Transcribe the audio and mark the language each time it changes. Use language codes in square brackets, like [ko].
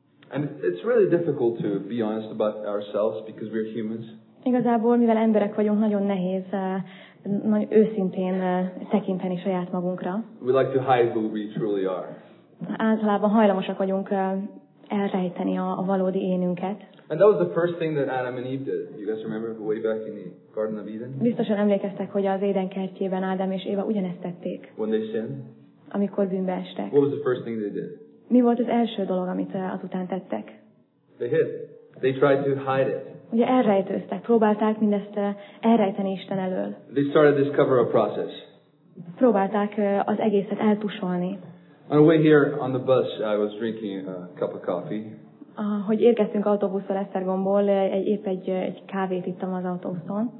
[en] And it's really difficult to be honest about ourselves because we're humans. [hu] Igazából, mivel emberek vagyunk, nagyon nehéz nagyon őszintén tekinteni saját magunkra. [en] We like to hide who we truly are. [hu] Általában hajlamosak vagyunk elrejteni a valódi énünket. [en] And that was the first thing that Adam and Eve did. You guys remember way back in the Garden of Eden? [hu] Biztosan emlékeztek, hogy az Éden kertjében Ádám és Éva ugyanezt tették. [en] When they sinned? [hu] Amikor bűnbe estek. [en] What was the first thing they did? [hu] Mi volt az első dolog, amit azután tettek? [en] They hid. They tried to hide it. [hu] Ugye elrejtőztek, próbálták mindezt elrejteni Isten elől. [en] They started this cover-up process. [hu] Próbálták az egészet eltusolni. [en] On the way here on the bus, I was drinking a cup of coffee. [hu] Hogy érkeztünk autóbusszal Esztergomból, egy kávét ittam az autóbuszon.